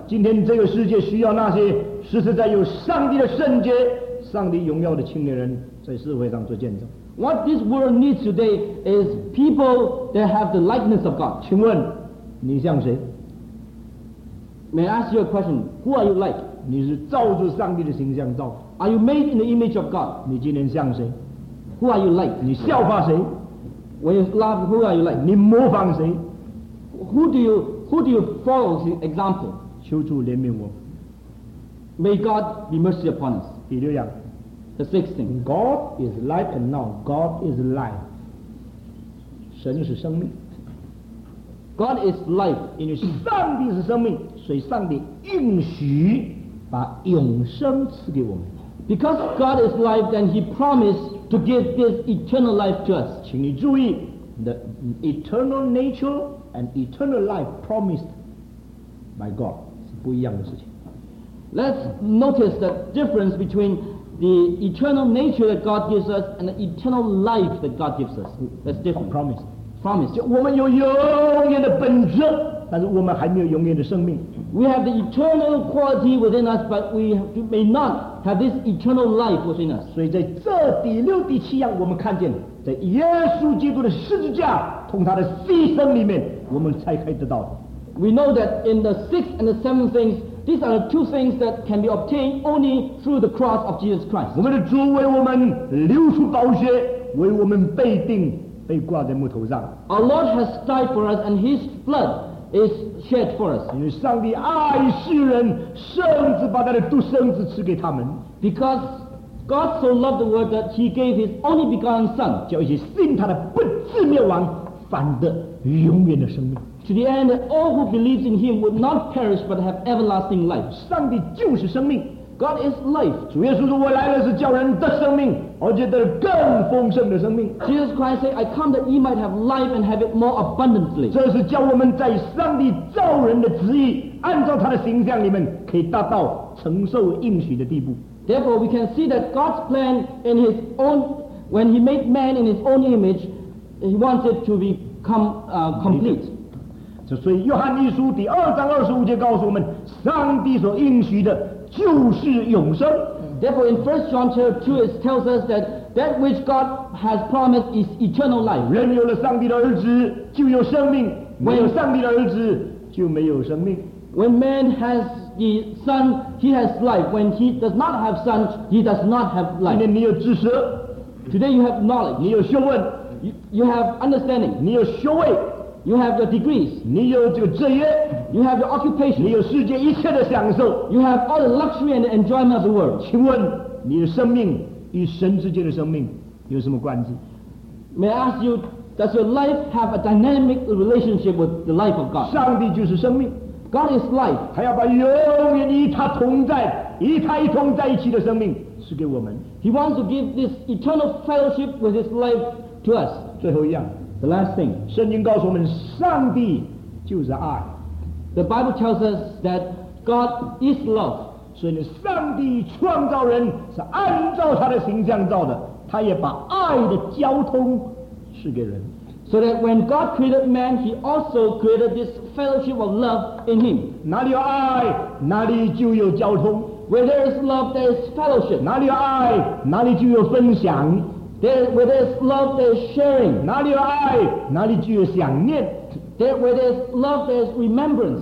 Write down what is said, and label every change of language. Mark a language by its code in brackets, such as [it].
[zh] 今天这个世界需要那些实实在有上帝的圣洁、上帝荣耀的青年人在社会上做见证。 [en] What this world needs today is people that have the likeness of God. [zh] 请问你像谁？ [en] May I ask you a question? Who are you like? [zh] 你是照着上帝的形象造。 [en] Are you made in the image of God? [zh] 你今天像谁？ [en] Who are you like? [zh] 你效法谁？ [en] When you love, who are you like? [zh] 你模仿谁？ [en] Who do you follow as an example? [zh] 求主怜悯我。 [en] May God be mercy upon us. [zh] 第六样。 [en] The sixth thing. God is light and now God is life. [zh] 神是生命。 [en] God is life. [zh] 因为上帝是生命，所以上帝应许把永生赐给我们。 [en] Because God is life, then He promised to give this eternal life to us. [zh] 请你注意 [en] the eternal nature and eternal life promised by God [zh] 是不一样的事情。 [en] Let's notice the difference between the eternal nature that God gives us and the eternal life that God gives us. That's different. Promised. Promise. [zh] 我们有永远的本质，但是我们还没有永远的生命。 [en] We have the eternal quality within us, but we may not have this eternal life within us. [zh] 所以在这第六、第七样，我们看见，在耶稣基督的十字架同他的牺牲里面，我们才可以得到。 [en] We know that in the sixth and the seventh things, these are the two things that can be obtained only through the cross of Jesus Christ. [zh] 我们的主为我们流出宝血，为我们被钉。被挂在木头上。 [en] Our Lord has died for us, and His blood is shed for us. [zh] 因为上帝爱世人，甚至把他的独生子赐给他们。 [en] Because God so loved the world that He gave His only begotten Son. [zh] 叫一些信他的不至灭亡，反得永远的生命。 [en] To the end, all who believe in Him would not perish but have everlasting life. [zh] 上帝就是生命。 [en] God is life. [zh] 主耶稣说：“我来了是叫人得生命，而且得更丰盛的生命。” [en] Jesus Christ said, "I come that ye might have life and have it more abundantly." [zh] 这是叫我们在上帝造人的旨意，按照他的形象里面，可以达到承受应许的地步。 [en] Therefore, we can see that God's plan in His own, when He made man in His own image, He wants it to become complete. [zh] 所以，约翰一书第二章二十五节告诉我们，上帝所应许的。就是永生。 [en] Therefore, in 1 John 2, it tells us that that which God has promised is eternal life. [zh] 人有了上帝的儿子，就有生命；没有上帝的儿子，就没有生命。 [en] When man has the son, he has life. When he does not have son, he does not have life. [zh] 今天你有知识。 [en] Today you have knowledge. [zh] 你有学问。 [en] You have understanding. [zh] 你有学位。 [en] You have your degrees. [zh] 你有这个职业。 [en] You have your occupation. [zh] 你有世界一切的享受。 [en] You have all the luxury and the enjoyment of the world. [zh] 请问你的生命与神之间的生命有什么关系？ [en] May I ask you, does your life have a dynamic relationship with the life of God? [zh] 上帝就是生命。 [en] God is life. [zh] 他要把永远与他同在，与他一同在一起的生命赐给我们。 [en] He wants to give this eternal fellowship with his life to us. [zh] 最后一样。 [en] The last thing. [zh] 圣经告诉我们，上帝就是爱。 [en] The Bible tells us that God is love. [zh] 所以上帝创造人是按照他的形象造的，他也把爱的交通赐给人。 [en] So that when God created man, he also created this fellowship of love in him. [zh] 哪里有爱，哪里就有交通。 [en] Where there is love, there is fellowship. [zh] 哪里有爱，哪里就有分享。 [en] Where there is love, there is sharing. [zh] 哪里有爱，哪里就有想念。 [en] Where there is love, there is remembrance.